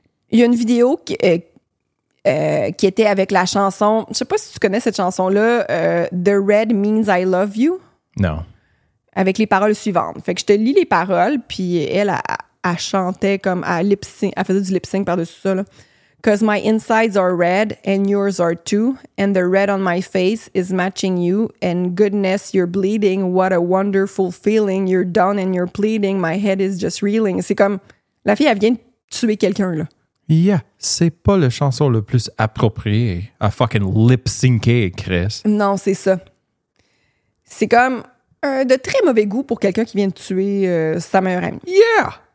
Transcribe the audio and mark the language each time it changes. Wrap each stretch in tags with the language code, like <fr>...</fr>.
<fr>Il y a une vidéo qui était avec la chanson, je sais pas si tu connais cette chanson-là, The Red Means I Love You. Non. Avec les paroles suivantes. Fait que je te lis les paroles, puis elle chantait comme à lip-sync, elle faisait du lip-sync par-dessus ça, là.</fr> <en>Because my insides are red and yours are too, and the red on my face is matching you, and goodness, you're bleeding, what a wonderful feeling, you're down and you're pleading, my head is just reeling.</en> <fr>C'est comme, la fille, elle vient de tuer quelqu'un, là. Yeah, c'est pas la chanson le plus appropriée à fucking lip-syncer, Chris. Non, c'est ça. C'est comme de très mauvais goût pour quelqu'un qui vient de tuer sa meilleure amie.</fr> <en>Yeah!</en>